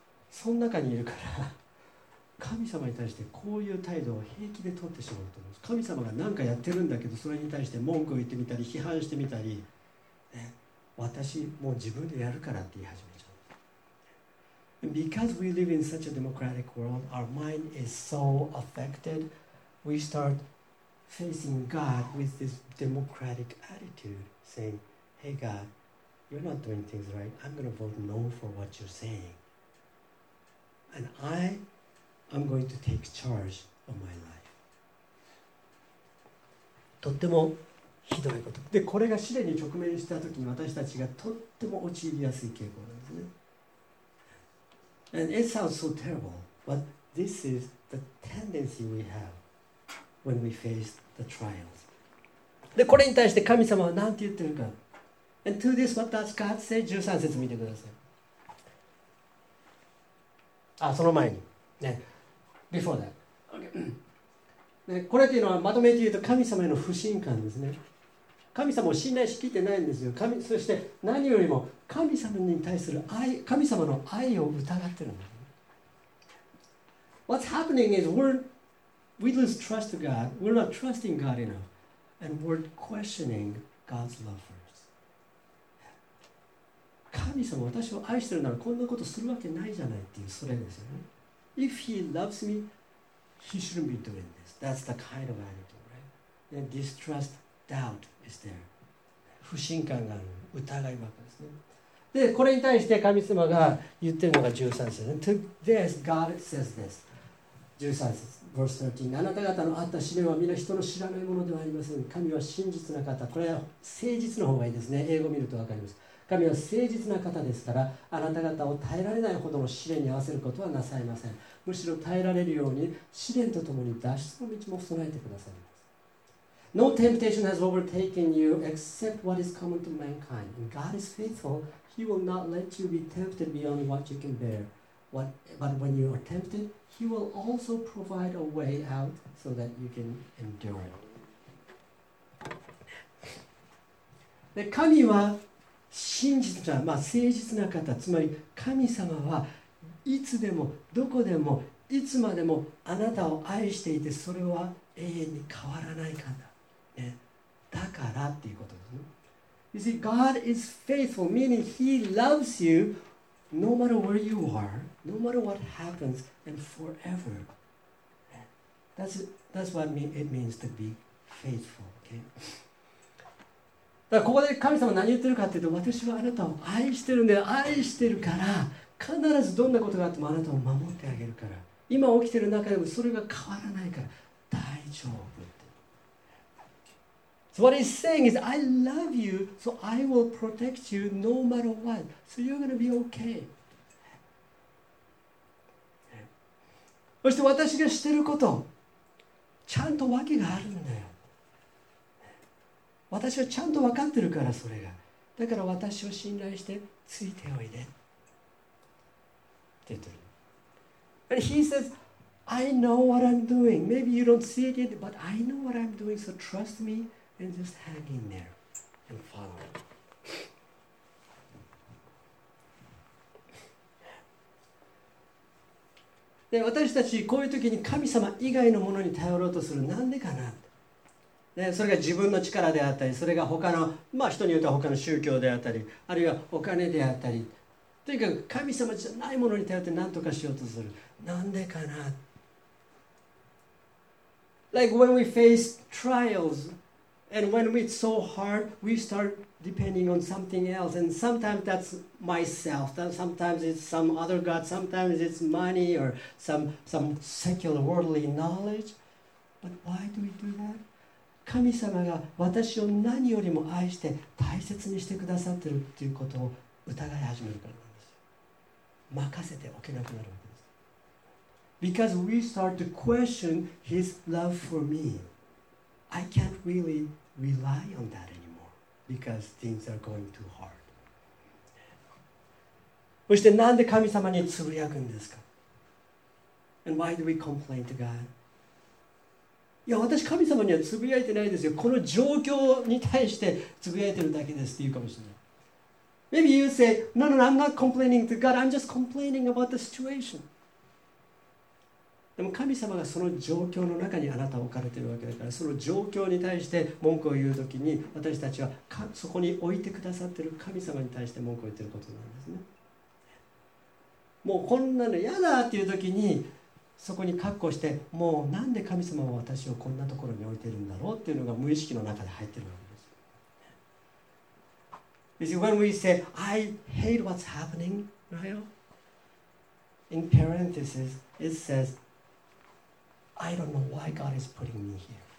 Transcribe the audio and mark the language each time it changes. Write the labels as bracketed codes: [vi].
[ja] その中にいるから、神様に対してこういう態度を平気で取ってしまうと思います。神様が何かやってるんだけど、それに対して文句を言ってみたり、批判してみたり、ね、私もう自分でやるからって言い始めちゃう。 [en] Because we live in such a democratic world, our mind is so affected, we start facing God with this democratic attitude, saying, "Hey God, you're not doing things right. I'm going to vote no for what you're saying, and I am going to take charge of my life." [ja] とってもひどいことで、これが試練に直面したときに私たちがとっても陥りやすい傾向なんですね。 [en] And it sounds so terrible, but this is the tendency we have when we face the trials. [ja] で、これに対して神様は何て言ってるか。 [en] And to this, what does God say? [ja] 13節見てください。あ、その前に、ね、 [en] Before that、 okay. [ja] ね、これというのはまとめて言うと神様への不信感ですね。神様を信頼しきってないんですよ。神、そして何よりも神様に対する愛、神様の愛を疑ってるんだ。 [en] What's happening is we lose trust to God. We're not trusting God enough. And we're questioning God's love for us. [ja] 神様、私を愛してるならこんなことするわけないじゃないっていう、それですよね。 [en] If he loves me, he shouldn't be doing this. That's the kind of attitude, right? And distrust, doubt. Is there? [ja] 不信感がある疑いばかりですね。で、これに対して神様が言ってるのが13節、ね、 [en] To this God says this [ja] 13節 [en] Verse 13、 [ja] あなた方のあった試練は皆人の知らないものではありません。神は真実な方、これは誠実の方がいいですね。英語見ると分かります。神は誠実な方ですから、あなた方を耐えられないほどの試練に合わせることはなさいません。むしろ耐えられるように試練とともに脱出の道も備えてくださる。 [en] No temptation has overtaken you except what is common to mankind. And God is faithful. He will not let you be tempted beyond what you can bear. But when you are tempted, He will also provide a way out so that you can endure it. [ja] で、神は真実な、まあ、誠実な方、つまり神様はいつでも、どこでも、いつまでもあなたを愛していて、それは永遠に変わらない方。だからっていうことですね。 [en] You see, God is faithful, meaning He loves you no matter where you are, no matter what happens, and forever. That's what it means to be faithful, okay? [ja] だからここで神様何言ってるかっていうと、私はあなたを愛してるんで、愛してるから、必ずどんなことがあってもあなたを守ってあげるから、今起きてる中でもそれが変わらないから、大丈夫。 [en] So what he's saying is, I love you, so I will protect you no matter what. So you're going to be okay. [ja] そして私がしてること、ちゃんと訳があるんだよ。私はちゃんと分かってるから、それが。だから私を信頼して、ついておいで。って言ってる。 [en] And he says, I know what I'm doing. Maybe you don't see it yet, but I know what I'm doing. So trust me and just hang in there and follow me. [ja] で、私たちこういう時に神様以外のものに頼ろうとする、なんでかな。で、それが自分の力であったり、それが他の、まあ人によっては他の宗教であったり、あるいはお金であったり、とにかく神様じゃないものに頼って何とかしようとする、なんでかな。 [en] Like when we face trials and when it's so hard, we start depending on something else, and sometimes that's myself, sometimes it's some other god, sometimes it's money or some secular worldly knowledge. But why do we do that? [ja] 神様が私を何よりも愛して大切にしてくださってるっていうことを疑い始めるからなんですよ。任せておけなくなるわけです。 [en] Because we start to question his love for me. I can't really rely on that anymore because things are going too hard. [ja] そしてなんで神様につぶやくんですか? [en] And why do we complain to God? [ja] いや、私神様にはつぶやいてないですよ。この状況に対してつぶやいてるだけですって言うかもしれない。 [en] Maybe you say, no, no, I'm not complaining to God. I'm just complaining about the situation. [ja] でも神様がその状況の中にあなたを置かれてるわけだから、その状況に対して文句を言うときに、私たちはそこに置いてくださってる神様に対して文句を言ってることなんですね。もうこんなの嫌だっていうときに、そこに括弧して、もうなんで神様は私をこんなところに置いてるんだろうっていうのが無意識の中で入ってるわけです。 [en] You see, when we say, I hate what's happening, right? In parentheses, it says, I don't know why God is putting me here.